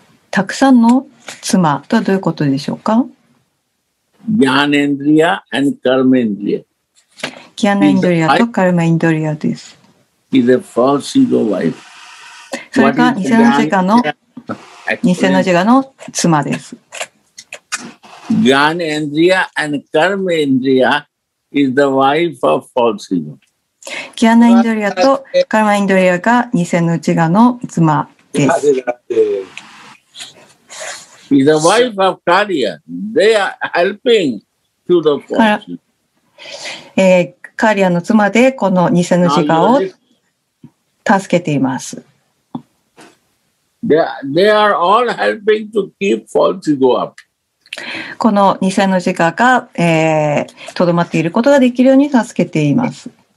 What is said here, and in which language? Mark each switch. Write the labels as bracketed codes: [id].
[ja] たくさんの妻とはどういうことでしょうか? [en] Gyanendriya and Karmendriya. [ja] キアナインドリアとカルマインドリアです。 [en] is a false ego wife. [ja] それが偽の自我の偽の自我の妻です。 [en] Gan Indriya and Karma Indriya is the wife of false ego. [ja] ギャナインドリアとカルマインドリアが偽の自我の妻です。 [en] Is the wife of Karya. They are helping to the false ego. [ja] カリアの妻でこの偽の自我を助けています。 [en] They are all helping to keep false ego up. [ja] この偽の自我がとど、まっていることができるように助けています。